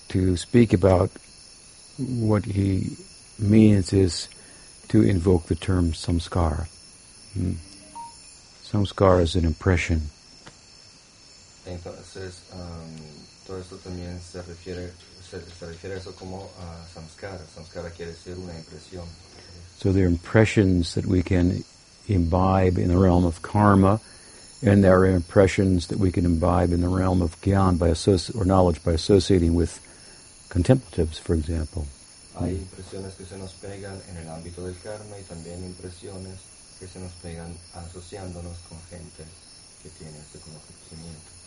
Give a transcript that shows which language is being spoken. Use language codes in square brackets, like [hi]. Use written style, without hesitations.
[en] to speak about, what he means is to invoke the term samskara. Samskara is an impression. [es] Entonces, todo esto también se refiere a eso como samskara. Samskara quiere decir una impresión. [en] So there are impressions that we can imbibe in the realm of karma, and there are impressions that we can imbibe in the realm of gyan by knowledge by associating with contemplatives, for example. [es] Hay impresiones que se nos pegan en el ámbito del karma y también impresiones que se nos pegan asociándonos con gente que tiene este conocimiento.